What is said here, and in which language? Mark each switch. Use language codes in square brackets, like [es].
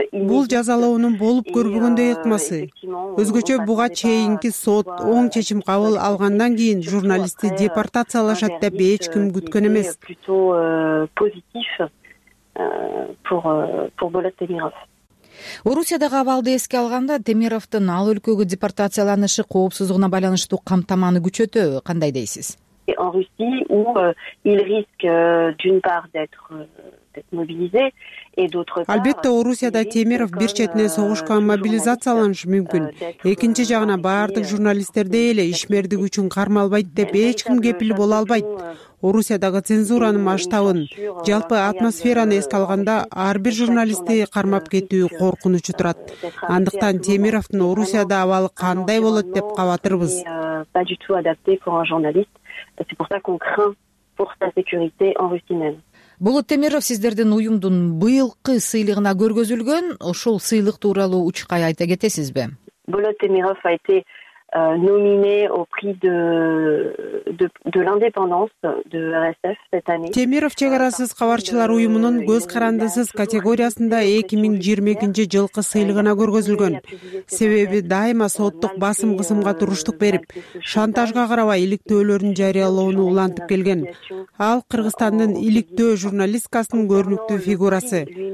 [ky] Бул жазалоонун болуп көрбөгөндөй ыкмасы. Өзгөчө буга чейинки сот оң чечим кабыл алгандан кийин журналистти депортациялашат деп эч ким күткөн эмес. Орусиядагы абалды эске алганда, Темировдун ал өлкөгө депортацияланышы коопсуздугуна байланыштуу камтаманы күчөтөбү, кандай дейсиз? [fr] En Russie, où il risque d'une part d'être mobilisé. [ky] Албетте Орусияда Темиров бир четине согушка мобилизацияланышы мүмкүн. Экинчи жагына баардык журналисттерде эле ишмердиги үчүн кармалбайт деп эч ким кепил боло албайт. Орусиядагы цензуранын масштабын, жалпы атмосфераны эске алганда ар бир журналистти кармап кетүү коркунучу турат. Андыктан Темировдун Орусияда абалы кандай болот деп кабатырбыз. Болот Темиров сиздердин уюмдун быйылкы сыйлыгына көргөзүлгөн ошол сыйлык тууралуу учкай айта кетесизби? [fr] Болот Темиров a été nominé au prix de l'indépendance de RSF cette année. [ky] Темиров чек арасыз кабарчылар уюмунун көз карандысыз категориясында 2022 жылкы сыйлыгына көргөзүлгөн. Себеби дайыма соттук басым кысымга туруштук берип, шантажга карабай иликтөөлөрүн жарыялоону улантып келген. Ал Кыргызстандын иликтөө журналисткасынын көрүнүктүү фигурасы.